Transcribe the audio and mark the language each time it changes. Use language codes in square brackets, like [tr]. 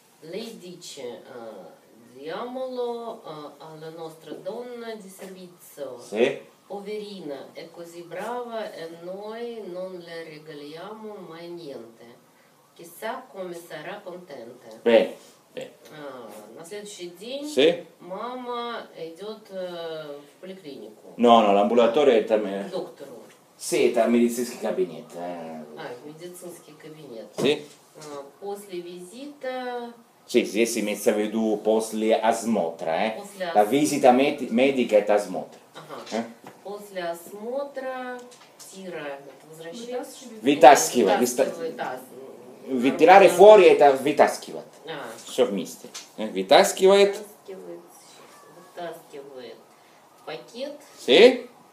[it] Lei dice, diamolo alla nostra donna di servizio. Sì. Poverina, è così brava e noi non le regaliamo mai niente. Chissà come sarà contenta. Beh. [ru] На следующий день [it] sì. [ru] Мама идет в поликлинику. [it] No, l'ambulatorio è per me. [ru] К доктору. [it] Sì, [ru] это медицинский кабинет. Медицинский кабинет. [it] Sì. [ru] После визита... [it] Sì, [ru] здесь имеется в виду после осмотра. [it] La visita medica [ru] это осмотр. Ага. После осмотра тира возвращается... Вытаскивает. Тирать фуори это вытаскивать. Все вместе. Вытаскивает. Вытаскивает пакет. [it] Sì.